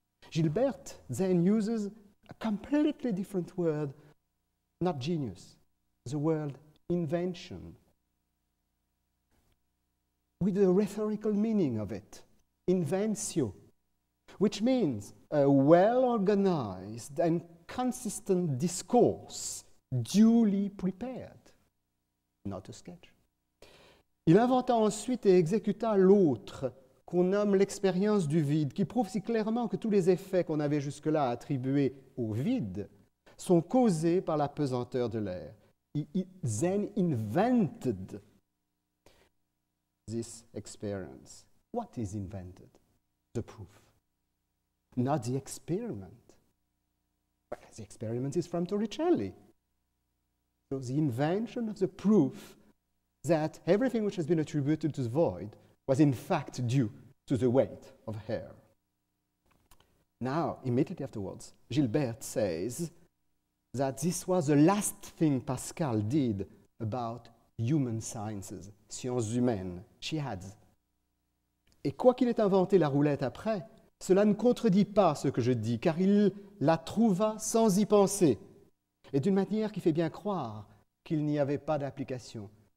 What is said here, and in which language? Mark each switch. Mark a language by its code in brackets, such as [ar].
[en] Gilbert then uses a completely different word, not genius, the word invention, with the rhetorical meaning of it, inventio, which means a well-organized and consistent discourse, duly prepared, not a sketch. [fr] Il inventa ensuite et exécuta l'autre, qu'on nomme l'expérience du vide, qui prouve si clairement que tous les effets qu'on avait jusque-là attribués au vide sont causés par la pesanteur de l'air. [en] He then invented this experience. What is invented? The proof. Not the experiment. Well, the experiment is from Torricelli. So the invention of the proof that everything which has been attributed to the void was in fact due to the weight of air. Now, immediately afterwards, Gilbert says that this was the last thing Pascal did about human sciences, sciences humaines. She adds, [fr] et quoi qu'il ait inventé la roulette après, cela ne contredit pas ce que je dis, car il la trouva sans y penser, et d'une manière qui fait bien croire qu'il n'y avait pas d'application.